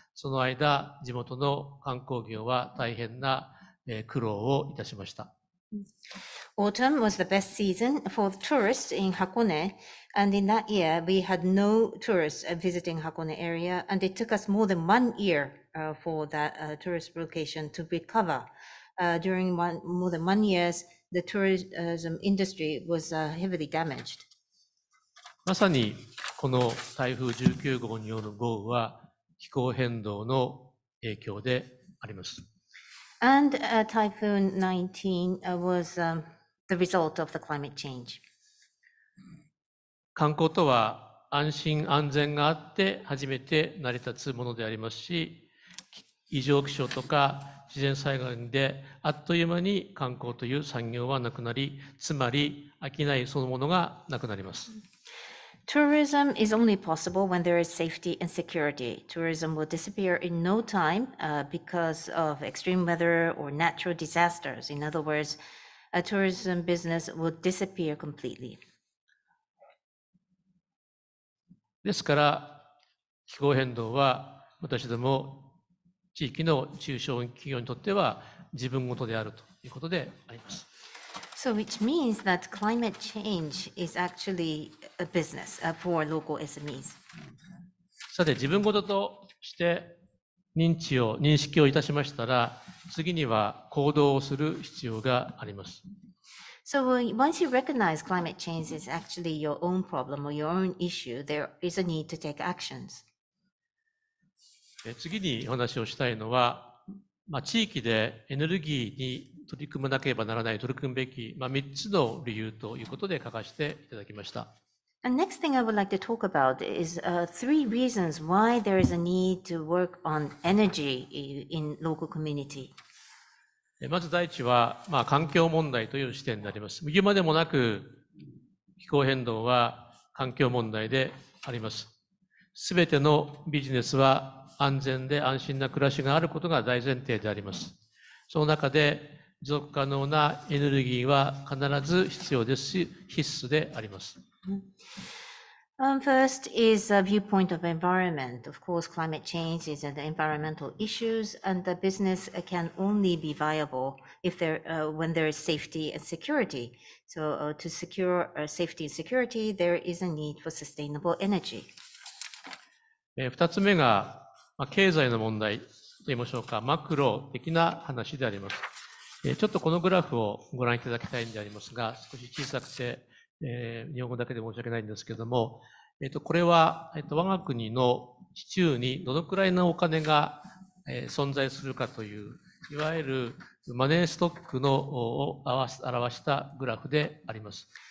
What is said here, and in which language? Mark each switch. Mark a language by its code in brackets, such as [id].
[ja] その間、地元の観光業は大変な苦労をいたしました。 [en] Autumn was the best season for tourists in Hakone, and in that year we had no tourists visiting Hakone area, and it took us more than one year for that tourist location to recover. During more than one year, the tourism industry was heavily damaged. [ja] まさにこの台風19号による豪雨は気候変動の影響であります。 [en] And Typhoon 19 was the result of the climate change. [ja] 観光とは安心安全があって初めて成り立つものでありますし、異常気象とか自然災害であっという間に観光という産業はなくなり、つまり商いそのものがなくなります。 [en] Tourism is only possible when there is safety and security. Tourism will disappear in no time because of extreme weather or natural disasters. In other words, a tourism business will disappear completely. [ja] ですから、気候変動は私ども地域の中小企業にとっては自分事であるということであります。 [en] So which means that climate change is actually a business for local SMEs. [ja] さて、自分事として認知を認識をいたしましたら、次には行動をする必要があります。 [en] So once you recognize climate change is actually your own problem or your own issue, there is a need to take actions. [ja] 次にお話をしたいのは、地域でエネルギーに取り組まなければならない、取り組むべき、3つの理由ということで書かせていただきました。 [en] And next thing I would like to talk about is three reasons why there is a need to work on energy in local community. [ja] まず第一は、環境問題という視点であります。言うまでもなく、気候変動は環境問題であります。すべてのビジネスは安全で安心な暮らしがあることが大前提であります。その中で、持続可能なエネルギーは必ず必要ですし、必須であります。 [en] First is a viewpoint of environment. Of course, climate change is an environmental issue, and the business can only be viable if there, when there is safety and security. So, to secure safety and security, there is a need for sustainable energy. [ja] 2つ目が、経済の問題といいましょうか、マクロ的な話であります。ちょっとこのグラフをご覧いただきたいんでありますが、少し小さくて、日本語だけで申し訳ないんですけれども、これは、我が国の市中にどのくらいのお金が、存在するかという、いわゆるマネーストックのを表したグラフであります。